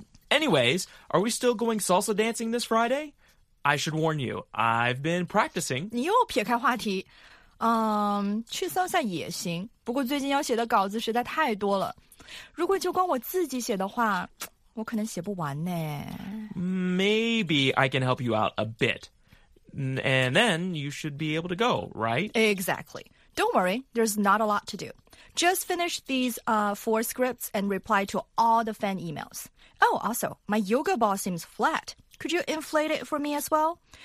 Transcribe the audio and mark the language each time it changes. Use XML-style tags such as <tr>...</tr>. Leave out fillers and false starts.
<en>Anyways, are we still going salsa dancing this Friday? I should warn you, I've been practicing.</en> <zh>你又撇开话题。去搜下也行，不过最近要写的稿子实在太多了，如果就光我自己写的话，我可能写不完呢。</zh> <en>Maybe I can help you out a bit, and then you should be able to go, right? Exactly. Don't worry, there's not a lot to do. Just finish these four scripts and reply to all the fan emails. Oh, also, my yoga ball seems flat. Could you inflate it for me as well?</en>